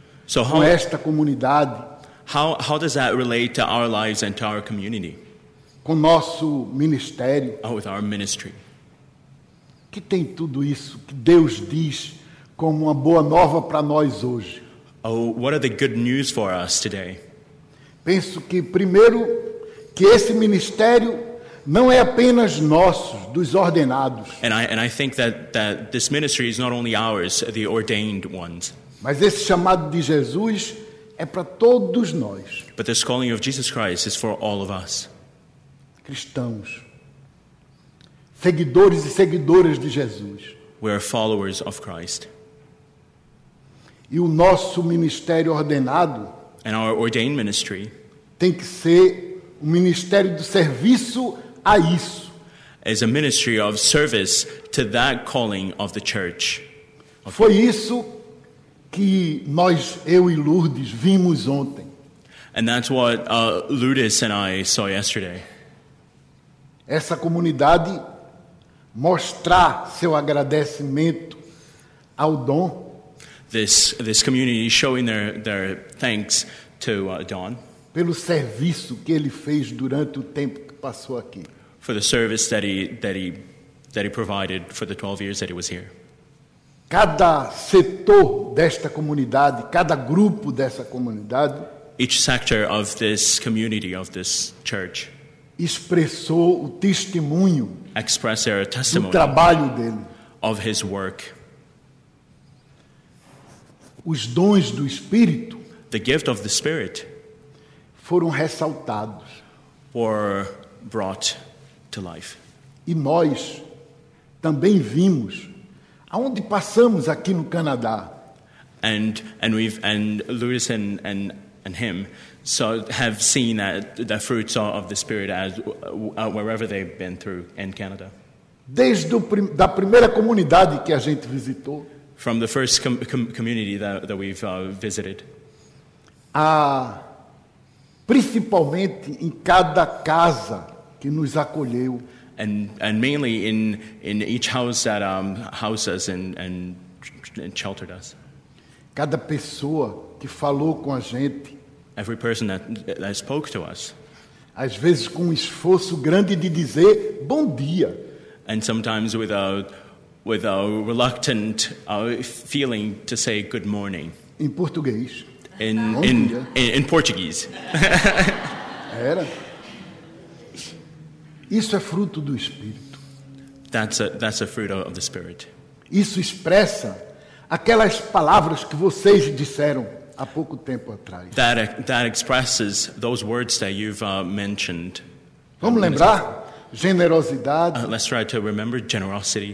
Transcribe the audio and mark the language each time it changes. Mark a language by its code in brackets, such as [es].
[en] so [pt] com esta comunidade? [en] How does that relate to our lives and to our community? [pt] Com nosso ministério? [en] Oh, with our ministry. [pt] O que tem tudo isso que Deus diz como uma boa nova para nós hoje? [en] Oh, what are the good news for us today? [pt] Penso que primeiro que esse ministério não é apenas nosso, dos ordenados. [en] And I think that this ministry is not only ours, the ordained ones. [pt] Mas esse chamado de Jesus é para todos nós. [en] But this calling of Jesus Christ is for all of us. [pt] Cristãos. Seguidores e seguidoras de Jesus. [en] We are followers of Christ. [pt] E o nosso ministério ordenado [en] and our ordained ministry [pt] tem que ser um ministério do serviço a isso. [en] Is a ministry of service to that calling of the church. Okay. [pt] Foi isso que nós, eu e Lourdes, vimos ontem. [en] And that's what Lourdes and I saw yesterday. [pt] Essa comunidade mostrar seu agradecimento ao dom. [en] This community showing their thanks to Don [pt] pelo serviço que ele fez durante o tempo que passou aqui. [en] For the service that he provided for the 12 years that he was here. [pt] Cada setor desta comunidade, cada grupo dessa comunidade, [en] each sector of this community, of this church, [pt] expressou o testemunho, [en] expressed their testimony, [pt] do trabalho dele, [en] of his work. [pt] Os dons do Espírito, [en] the gift of the Spirit, [pt] foram ressaltados, [en] were brought to life. [pt] E nós também vimos aonde passamos aqui no Canadá. [en] And Lewis and him so have seen the fruits of the Spirit as wherever they've been through in Canada. [pt] Desde da primeira comunidade que a gente visitou. [en] From the first community that we've visited. [pt] Principalmente em cada casa que nos acolheu. [en] And mainly in each house that housed us and sheltered us. [pt] Cada pessoa que falou com a gente. [en] Every person that spoke to us. [pt] Às vezes com um esforço grande de dizer bom dia. [en] And sometimes with a with a reluctant feeling to say good morning. [pt] Em português. [en] In português. [pt] Era. Isso é fruto do Espírito. [en] That's a fruit of the Spirit. [pt] Isso expressa aquelas palavras que vocês disseram há pouco tempo atrás. [en] That expresses those words that you've mentioned. [pt] Vamos lembrar? Generosidade. [en] Let's try to remember generosity.